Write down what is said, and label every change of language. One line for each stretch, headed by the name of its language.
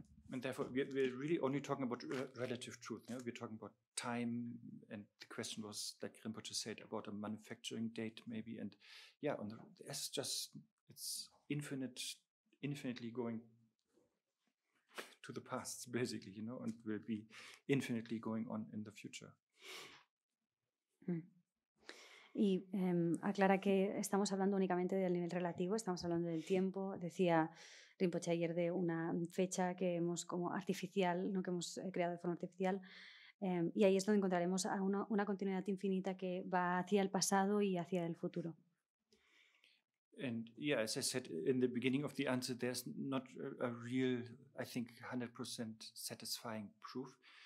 English: And therefore, we're really only talking about relative truth. Yeah? We're talking about time, and the question was, like Rinpoche said, about a manufacturing date, maybe. And yeah, on the, it's infinitely going to the past, basically, you know, and will be infinitely going on in the future.
Spanish: Y aclara que estamos hablando únicamente del nivel relativo, estamos hablando del tiempo, decía Rinpoche ayer de una fecha que hemos como artificial, ¿no? Que hemos creado de forma artificial, y ahí es donde encontraremos a una continuidad infinita que va hacia el pasado y hacia el futuro.
English: And yeah, as I said in the beginning of the answer, there's not a real, I think, 100% satisfying proof.